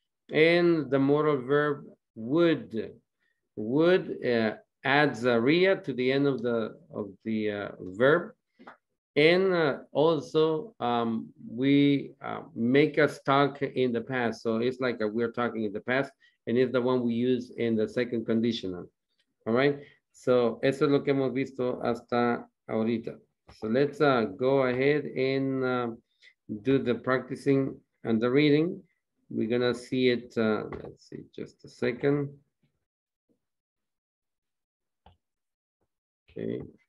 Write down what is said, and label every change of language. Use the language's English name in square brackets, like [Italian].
[English] And the modal verb would. Would adds a ria to the end of the verb. And also we make us talk in the past. So it's like we're talking in the past, and it's the one we use in the second conditional. All right, so [Spanish] eso es lo que hemos visto hasta ahorita. [English] So let's go ahead and do the practicing and the reading. We're gonna see it, let's see, just a second. Okay.